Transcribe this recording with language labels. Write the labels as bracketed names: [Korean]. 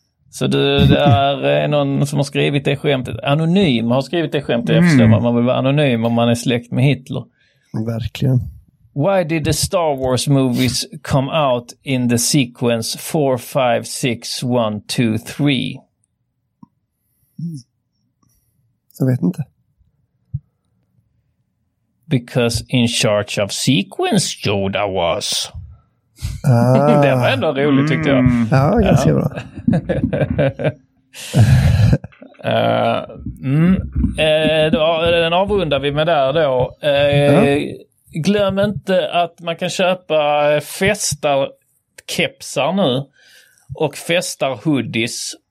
[Swedish] Så det är någon som har skrivit det skämtet. Anonym har skrivit det skämtet. Jag förstår, man vill vara anonym om man är släkt med Hitler. Verkligen. [English] Why did the Star Wars movies come out in the sequence 4, 5, 6, 1, 2, 3? [Swedish] Jag vet inte. [English] Because in charge of sequence Yoda was. [Swedish] Det var ändå roligt tyckte jag. Ja, ganska bra. Den avrundar vi med där då. Glöm inte att man kan köpa festarkepsar nu och festarhoodies.